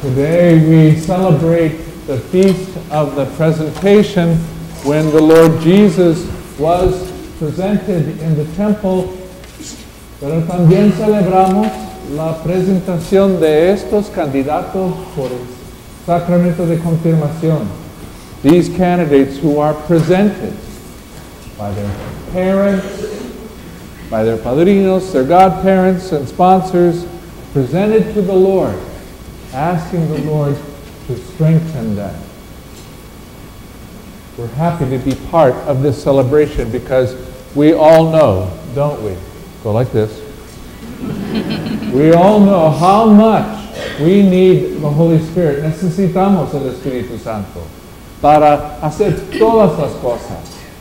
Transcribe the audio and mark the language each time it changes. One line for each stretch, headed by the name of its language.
English: Today we celebrate the Feast of the Presentation, when the Lord Jesus was presented in the temple.
Spanish: Pero también celebramos la presentación de estos candidatos por el sacramento de confirmación.
English: These candidates who are presented by their parents, by their padrinos, their godparents and sponsors, presented to the Lord, asking the Lord to strengthen them. We're happy to be part of this celebration because we all know, don't we? Go like this. We all know how much we need the Holy Spirit.
Spanish: Necesitamos el Espíritu Santo para hacer todas las cosas.